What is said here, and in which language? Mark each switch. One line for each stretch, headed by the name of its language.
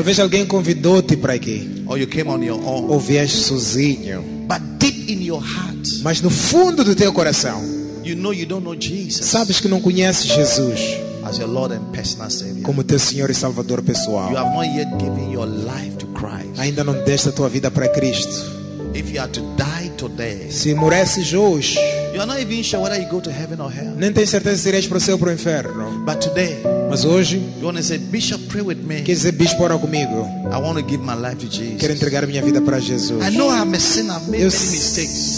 Portuguese: Talvez alguém convidou-te para aqui.
English: Or you came on your own.
Portuguese: Ou vieste sozinho.
English: But deep in your heart,
Portuguese: mas no fundo do teu coração,
English: you know you don't know Jesus,
Portuguese: sabes que não conheces Jesus
English: as your Lord and personal Savior,
Portuguese: como teu Senhor e Salvador pessoal.
English: You have not yet given your life to Christ.
Portuguese: Ainda não deste a tua vida para Cristo.
English: If you are to die today,
Portuguese: se morresses hoje,
English: you are not even sure whether you go to heaven or hell.
Portuguese: Nem tens certeza se irás para o céu ou para o inferno.
English: But today,
Portuguese: mas hoje,
English: you want to say, Bishop, pray with me.
Portuguese: Quer dizer, Bispo, ora comigo.
English: I want to give my life to Jesus.
Portuguese: Quero entregar minha vida para Jesus.
English: I know I'm a sinner, I've made many mistakes.